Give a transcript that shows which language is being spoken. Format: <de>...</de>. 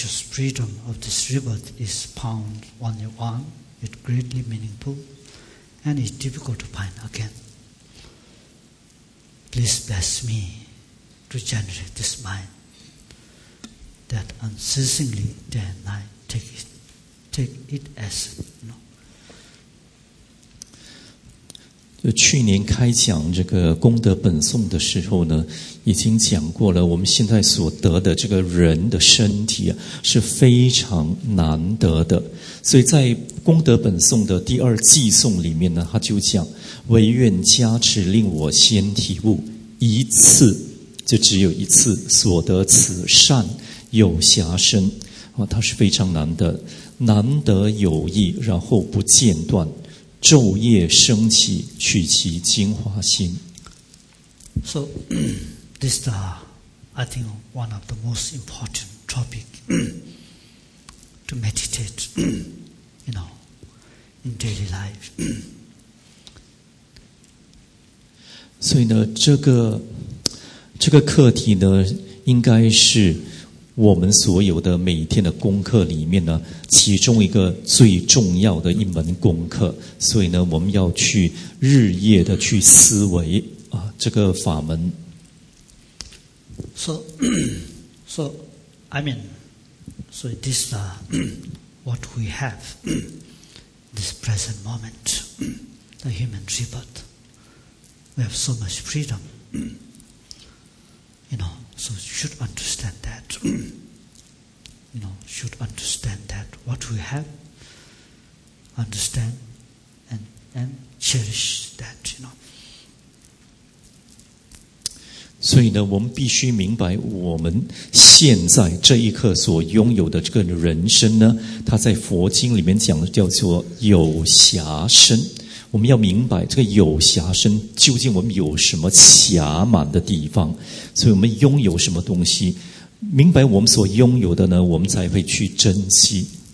<en>Freedom of this rebirth is found only one, yet greatly meaningful, and it's difficult to find again. Please bless me to generate this mind that unceasingly day and night take it as it, you know.</en> <zh>就去年开讲这个功德本颂的时候呢，已经讲过了，我们现在所得的这个人的身体啊，是非常难得的。所以在功德本颂的第二寄颂里面呢，他就讲：唯愿加持令我先体悟一次，就只有一次所得此善有暇身啊，它是非常难得，难得有意，然后不间断，昼夜升起，取其精华心。</zh> <en>So. This is, I think, one of the most important topic to meditate, you know, in daily life.</en> <zh>所以呢，这个课题呢，应该是我们所有的每天的功课里面呢，其中一个最重要的一门功课。所以呢，我们要去日夜的去思维啊，这个法门。</zh> <en>So this is what we have, this present moment, the human rebirth. We have so much freedom, you know, so you should understand that. should understand that what we have, understand and cherish that, you know.</en> <zh>所以呢，我们必须明白我们现在这一刻所拥有的这个人生呢，它在佛经里面讲的叫做有暇身。我们要明白这个有暇身究竟我们有什么暇满的地方，所以我们拥有什么东西，明白我们所拥有的呢，我们才会去珍惜。</zh>